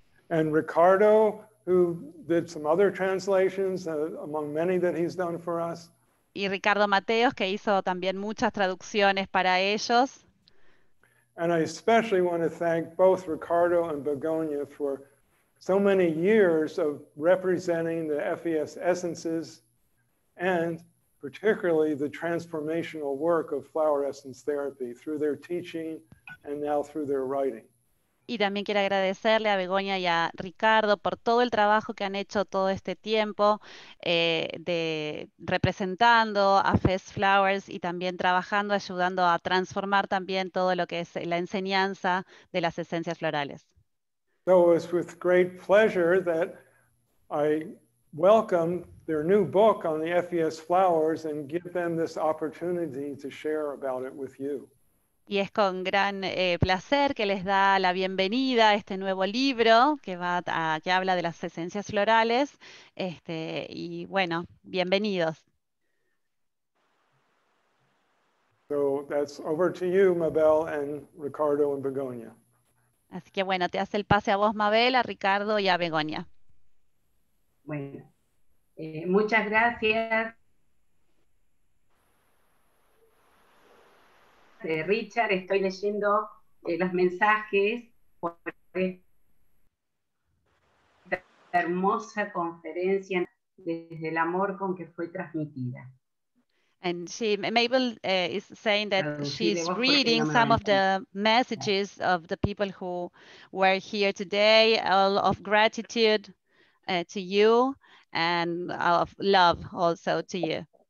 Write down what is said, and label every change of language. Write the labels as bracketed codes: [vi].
[en] And Ricardo, who did some other translations, among many that he's done for us. [es] Y Ricardo Mateos, que hizo también muchas traducciones para ellos. [en] And I especially want to thank both Ricardo and Begonia for so many years of representing the FES essences and particularly the transformational work of flower essence therapy through their teaching and now through their writing. [es] Y también quiero agradecerle a Begonia y a Ricardo por todo el trabajo que han hecho todo este tiempo de representando a FES Flowers y también trabajando, ayudando a transformar también todo lo que es la enseñanza de las esencias florales. [en] So it was with great pleasure that I welcome their new book on the FES flowers and give them this opportunity to share about it with you. [es] Y es con gran placer que les da la bienvenida a este nuevo libro que habla de las esencias florales. Y bueno, bienvenidos. [en] So that's over to you, Mabel and Ricardo and Begonia. [es] Así que bueno, te hace el pase a vos, Mabel, a Ricardo y a Begonia. Bueno, muchas gracias, Richard. Estoy leyendo los mensajes por esta hermosa conferencia desde el amor con que fue transmitida. [en] And Mabel is saying that she's reading some of the messages of the people who were here today, all of gratitude to you and of love also to you.